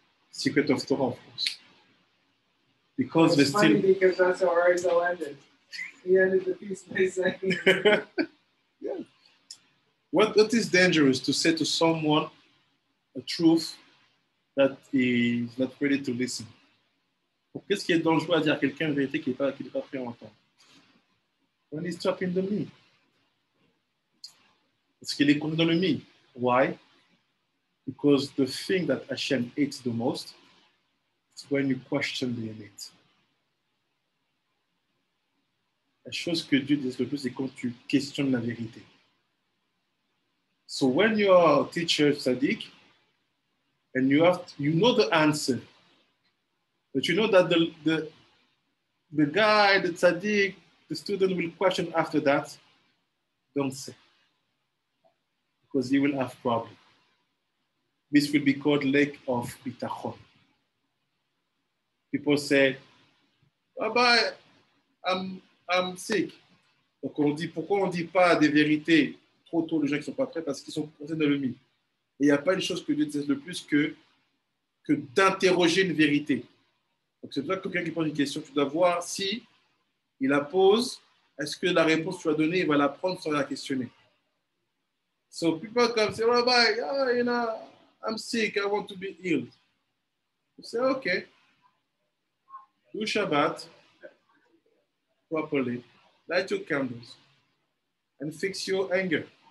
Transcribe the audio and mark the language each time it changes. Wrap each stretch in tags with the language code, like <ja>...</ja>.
<en>Secret of Torah, of course. Because we still. Funny because that's how Arizal ended. He ended the piece by saying. What is dangerous to say to someone a truth that is not ready to listen?</en> <fr>Qu'est-ce qui est dangereux à dire à quelqu'un une vérité qui n'est pas prêt à entendre?</fr> <en>When he's trapping the me.</en> <fr>Parce qu'il est coincé dans le me.</fr> <en>Why? Because the thing that Hashem hates the most is when you question the innate.</en> <fr>La chose que Dieu déteste le plus, c'est quand tu questionnes la vérité.</fr> <en>So when you are a teacher, tzaddik, and you have to, you know the answer, but you know that the guy, the tzaddik, the student will question after that, don't say. Because he will have problem. This will be called lack of bitachon. People say, Baba, I'm sick.</en> <fr>Donc on dit, pourquoi on ne dit pas des vérités trop tôt, les gens qui sont pas prêts, parce qu'ils sont concernés dans le mythe. Et il n'y a pas une chose que Dieu déteste le plus que d'interroger une vérité. Donc c'est pour ça que quelqu'un qui pose une question, tu dois voir si il la pose, est-ce que la réponse que tu as donnée, il va la prendre sans la questionner.</fr> <en>So people come say, Rabbi, oh, you know, I'm sick, I want to be healed. You say, okay. Do Shabbat properly. Light your candles. And fix your anger.</en>